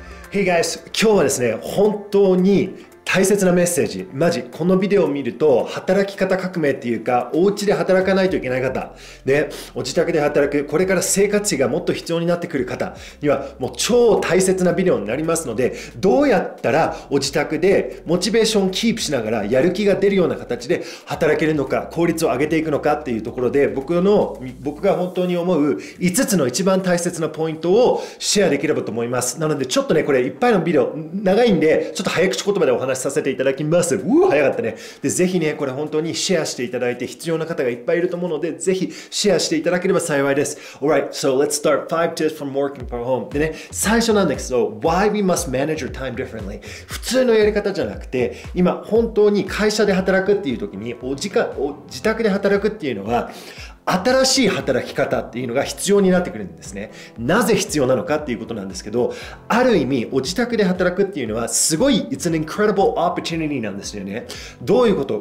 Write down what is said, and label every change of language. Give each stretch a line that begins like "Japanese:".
English: Hey guys、
Japanese: 今日はですね、本当に大切なメッセージ、マジこのビデオを見ると働き方革命っていうか、お家で働かないといけない方ね、お自宅で働く、これから生活費がもっと必要になってくる方にはもう超大切なビデオになりますので、どうやったらお自宅でモチベーションキープしながらやる気が出るような形で働けるのか、効率を上げていくのかっていうところで、僕が本当に思う5つの一番大切なポイントをシェアできればと思います。なのでちょっとね、これいっぱいのビデオ長いんで、ちょっと早口言葉でお話しします、させていただきます。うー早かったね。でぜひね、これ本当にシェアしていただいて、必要な方がいっぱいいると思うので、ぜひシェアしていただければ幸いです。
English: Alright, so let's start 5 tips from working from home.
Japanese: でね、最初なんだけど、
English: Why we must manage your time differently.
Japanese: 普通のやり方じゃなくて、今本当に会社で働くっていう時に、自宅で働くっていうのは、新しい働き方っていうのが必要になってくるんですね。なぜ必要なのかっていうことなんですけど、ある意味お自宅で働くっていうのはすごい、
English: It's an incredible opportunity
Japanese: なんですよね。どういうこと？